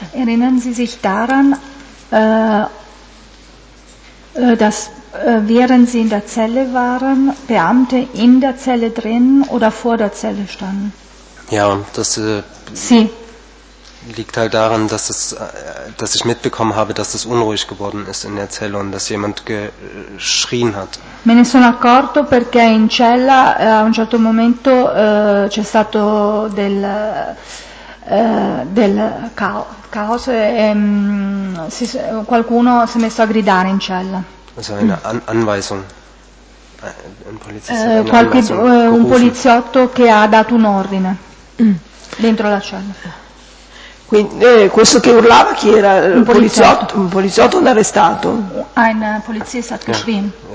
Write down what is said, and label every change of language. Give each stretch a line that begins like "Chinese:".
German: Erinnern Sie sich daran, dass während Sie in der Zelle waren, Beamte in der Zelle drin oder vor der Zelle standen? Ja, das Sie. Liegt halt daran, dass ich mitbekommen habe, dass es unruhig geworden ist in der Zelle und dass jemand geschrien hat.
Italian: Me ne sono accorto perché in cella a un certo momento c'è stato del caos e qualcuno si è messo a gridare in cella.
German: Also eine Anweisung.
Italian: Un poliziotto che ha dato un ordine dentro la cella. Quindi questo che urlava chi era? Un poliziotto o un arrestato?
German: Ein Polizist hat geschrien.